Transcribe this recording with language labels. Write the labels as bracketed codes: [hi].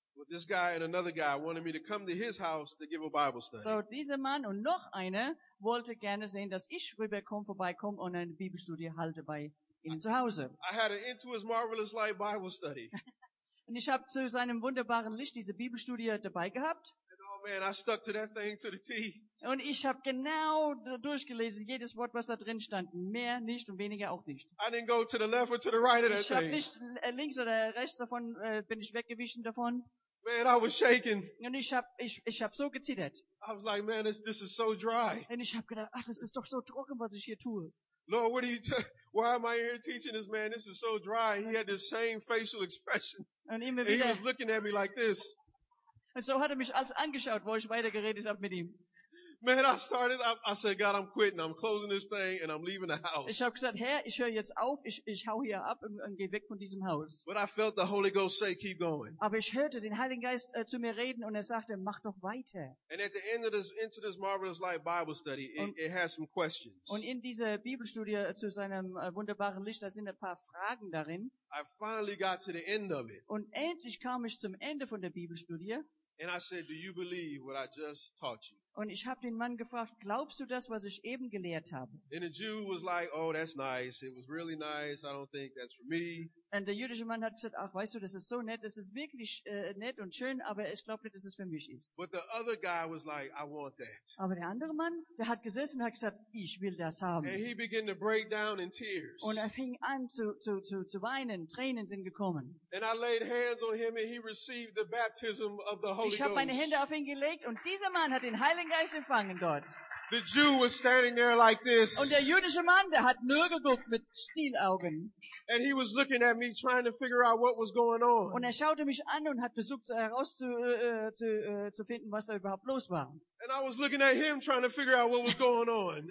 [en] this guy and another guy wanted me to come to his house to give a Bible study. [de] So dieser Mann und noch einer wollte gerne sehen, dass ich rüberkomme, vorbeikomme und eine Bibelstudie halte bei ihm zu Hause. [en] I had an Into His Marvelous Light Bible study. [de] Und ich habe zu seinem wunderbaren Licht diese Bibelstudie dabei gehabt. [en] And oh man, I stuck to that thing to the T. [de] Und ich habe genau durchgelesen, jedes Wort, was da drin stand. Mehr nicht und weniger auch nicht. [en] I didn't go to the left or to the right of that thing. [de] Ich habe nicht links oder rechts davon, bin ich weggewichen davon. [en] Man, I was shaking. [de] Und ich hab so gezittert. [en] I was like, man, this is so dry. [de] Und ich hab gedacht, ach, das ist doch so trocken, was ich hier tue. [en] Lord, why am I here teaching this man? This is so dry. He had the same facial expression. [de] Und immer [en] and [de] wieder. [en] He was looking at me like this. [de] Und so hat mich alles angeschaut, wo ich weiter geredet hab mit ihm. [en] Man, I started. I said, God, I'm quitting. I'm closing this thing, and I'm leaving the house. [de] Ich habe gesagt, Herr, ich höre jetzt auf. Ich hau hier ab und gehe weg von diesem Haus. [en] But I felt the Holy Ghost say, keep going. [de] Aber ich hörte den Heiligen Geist zu mir reden und er sagte, mach doch weiter. [en] And at the end of this Into This Marvelous Light Bible study, it has some questions. [de] Und in dieser Bibelstudie zu seinem wunderbaren Licht, da sind ein paar Fragen darin. [en] I finally got to the end of it. [de] Und endlich kam ich zum Ende von der Bibelstudie. [en] And I said, do you believe what I just taught you? [de] Und ich habe den Mann gefragt, glaubst du das, was ich eben gelehrt habe? [en] And the Jew was like, oh, that's nice. It was really nice. I don't think that's for me. [de] Und der jüdische Mann hat gesagt, ach, weißt du, das ist so nett. Das ist wirklich nett und schön, aber ich glaube nicht, dass es für mich ist. [en] But the other guy was like, I want that. [de] Aber der andere Mann, der hat gesessen und hat gesagt, ich will das haben. [en] And he began to break down in tears. [de] Und fing an zu weinen. Tränen sind gekommen. [en] And I laid hands on him and he received the baptism of the Holy Ghost. [de] Ich habe meine Hände auf ihn gelegt und dieser Mann hat den Heiligen Geist empfangen dort. [en] The Jew was standing there like this. [de] Und der jüdische Mann, der hat nur geguckt mit Stielaugen. [en] And he was looking at me trying to figure out what was going on. [de] Und er schaute mich an und hat versucht herauszufinden, was da überhaupt los war. [en] And I was looking at him trying to figure out what was going on.